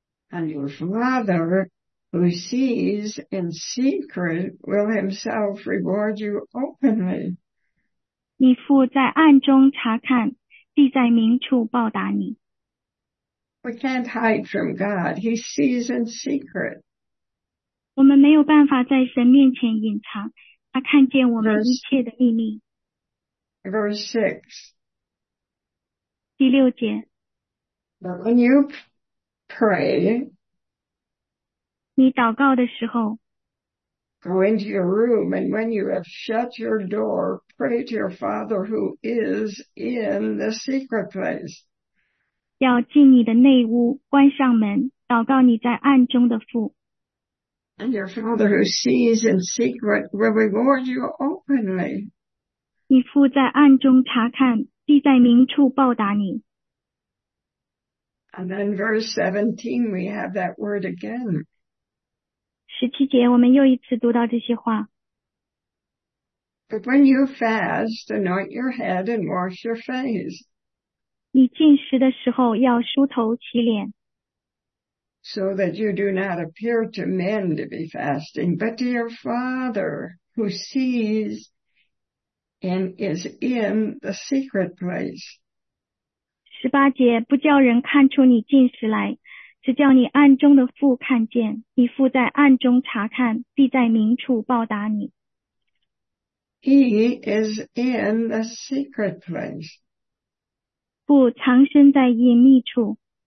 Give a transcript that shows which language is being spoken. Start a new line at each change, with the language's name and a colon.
English: And your father. Who sees in secret will himself reward you openly.
Chinese: 你父在暗中查看，必在明处报答你。
English: We can't hide from God. He sees in secret.
Chinese: 我们没有办法在神面前隐藏，他看见我们一切的秘密。
English: Verse 6.
Chinese: 第六节。
English: But when you pray,
Chinese: 你祷告的时候
English: Go into your room, and when you have shut your door, pray to your father who is in the secret place.
Chinese: 要进你的内屋，关上门，祷告你在暗中的父。
English: And your father who sees in secret will reward you openly.
Chinese: 你父在暗中查看，必在明处报答你。
English: And then verse 17, we have that word again.
Chinese: 十七节，我们又一次读到这些话。
English: But when you fast, anoint your head and wash your face.
Chinese: 你进食的时候要梳头洗脸。
English: So that you do not appear to men to be fasting, but to your Father who sees and is in the secret place.
Chinese: 十八节，不叫人看出你进食来。是叫你暗中的父看见，你父在暗中查看，必在明处报答你。
English: He is in the secret place.
Chinese: 父藏身在隐秘处。